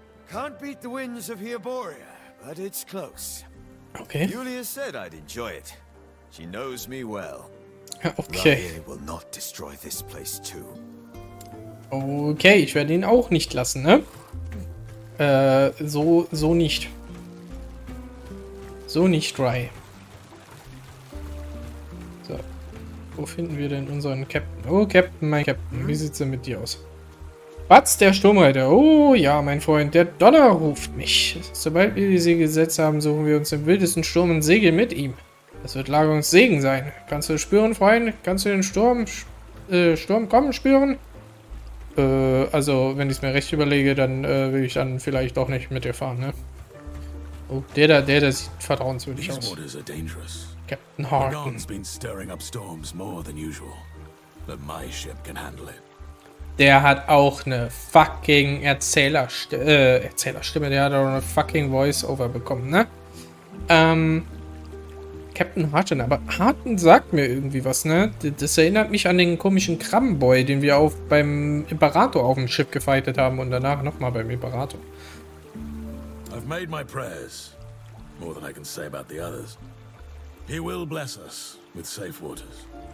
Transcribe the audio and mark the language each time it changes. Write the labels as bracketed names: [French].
[English] Can't beat the winds of Hyboria, but it's close. Okay. Julia said I'd enjoy it. She knows me well. Okay. Raya will not destroy this place too. [German] Okay, ich werde ihn auch nicht lassen, ne? So nicht. So nicht, Rai. So. Wo finden wir denn unseren Captain? Oh, Captain, mein Captain, wie sieht's denn mit dir aus? Batz, der Sturmreiter. Oh ja, mein Freund, der Donner ruft mich. Sobald wir die See gesetzt haben, suchen wir uns im wildesten Sturm und segeln mit ihm. Das wird Lagerungssegen sein. Kannst du spüren, Freund? Kannst du den Sturm Sturm kommen spüren. Also, wenn ich es mir recht überlege, dann will ich dann vielleicht doch nicht mit dir fahren, ne? Oh, der sieht vertrauenswürdig aus. [English] Waters are dangerous. Captain Harden. The Dawn's been stirring up storms more than usual. But my ship can handle it. [German] Der hat auch eine fucking Erzählerstimme, der hat auch eine fucking Voice-Over bekommen, ne? Captain Harten, aber Harten sagt mir irgendwie was, ne? Das erinnert mich an den komischen Krabbenboy, den wir auf beim Imperator auf dem Schiff gefightet haben und danach nochmal beim Imperator. [English] I've made my prayers. More than I can say about the others. He will bless us with safe waters.